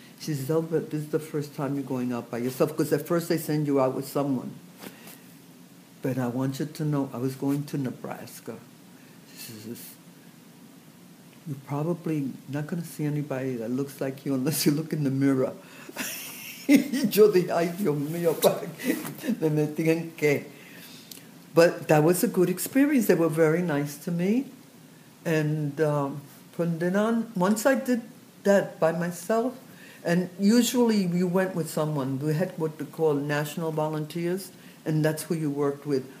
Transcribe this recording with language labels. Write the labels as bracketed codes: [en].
[en] She says, oh, but this is the first time you're going out by yourself, because at first they send you out with someone. But I want you to know, I was going to Nebraska. She says, you're probably not going to see anybody that looks like you unless you look in the mirror. [es] Yo dije, ay, Dios mío, me metí en qué. [en] But that was a good experience. They were very nice to me. And from then on, once I did that by myself, and usually you went with someone. We had what we call national volunteers, and that's who you worked with.